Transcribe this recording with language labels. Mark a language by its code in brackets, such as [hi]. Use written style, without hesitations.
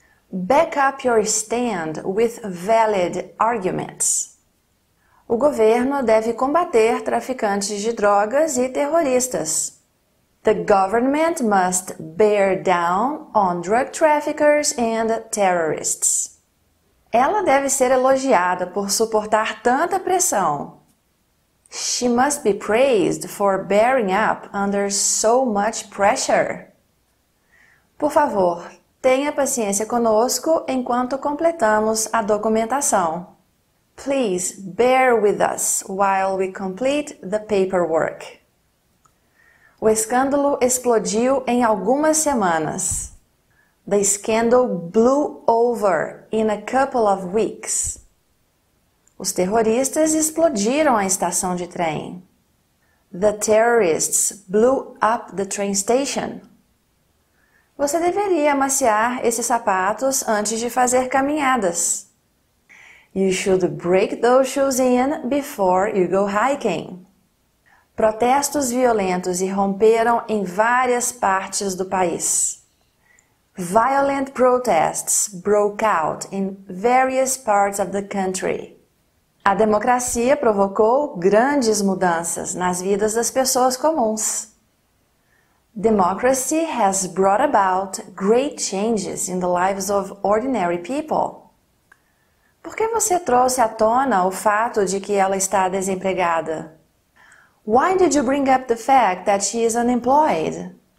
[en] Back up your stand with valid arguments. [pt] O governo deve combater traficantes de drogas e terroristas. [en] The government must bear down on drug traffickers and terrorists. [pt] Ela deve ser elogiada por suportar tanta pressão. [en] She must be praised for bearing up under so much pressure. [pt] Por favor, tenha paciência conosco enquanto completamos a documentação. [en] Please bear with us while we complete the paperwork. [pt] O escândalo explodiu em algumas semanas. [en] The scandal blew over in a couple of weeks. [pt] Os terroristas explodiram a estação de trem. [en] The terrorists blew up the train station. [pt] Você deveria amaciar esses sapatos antes de fazer caminhadas. [en] You should break those shoes in before you go hiking. [pt] Protestos violentos irromperam em várias partes do país. [en] Violent protests broke out in various parts of the country. [pt] A democracia provocou grandes mudanças nas vidas das pessoas comuns. [en] Democracy has brought about great changes in the lives of ordinary people. [pt] Por que você trouxe à tona o fato de que ela está desempregada? [en] Why did you bring up the fact that she is unemployed?